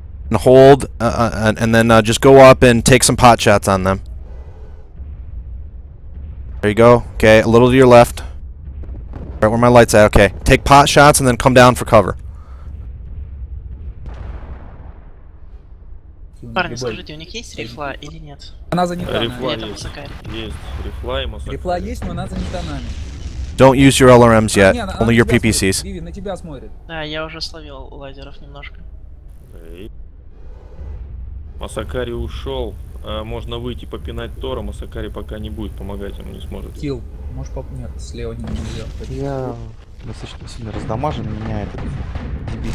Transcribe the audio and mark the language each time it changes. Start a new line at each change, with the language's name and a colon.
English: And hold, and then just go up and take some pot shots on them. There you go. Okay, a little to your left. Right where my light's at, okay. Take pot shots and then come down for cover.
Russian: Парни, скажите, у них есть рифла или нет? Она занята нами. Рифла есть. Рифла и Масакари. Рифла есть, но она занята нами.
English: Don't use your LRMs yet, only your PPCs.
Russian: Иви, на тебя смотрит. Да, я уже словил лазеров немножко. Масакари ушел. Можно выйти попинать Тора, Масакари пока не будет помогать, ему не сможет. Килл, может поп... нет, слева не нельзя. Я достаточно сильно раздамажен, меня этот дебиль.